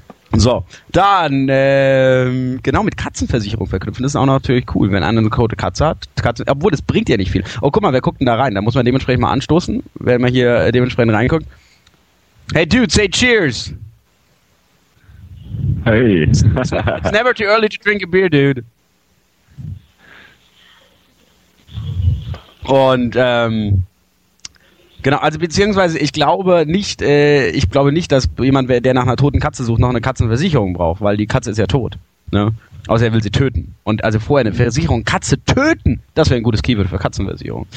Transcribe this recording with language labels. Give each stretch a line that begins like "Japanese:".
German: So, dann genau, mit Katzenversicherung verknüpfen, das ist auch natürlich cool, wenn einer eine tote Katze hat. Obwohl, das bringt ja nicht viel. Oh, guck mal, wer guckt denn da rein? Da muss man dementsprechend mal anstoßen, wenn man hier dementsprechend reinguckt.
English: Hey, dude, say cheers! Hey! It's never too early to drink a beer, dude.
German: Und, genau, also beziehungsweise ich glaube nicht, dass jemand, der nach einer toten Katze sucht, noch eine Katzenversicherung braucht, weil die Katze ist ja tot. Ne? Außer er will sie töten. Und also vorher eine Versicherung, Katze töten, das wäre ein gutes Keyword für Katzenversicherung.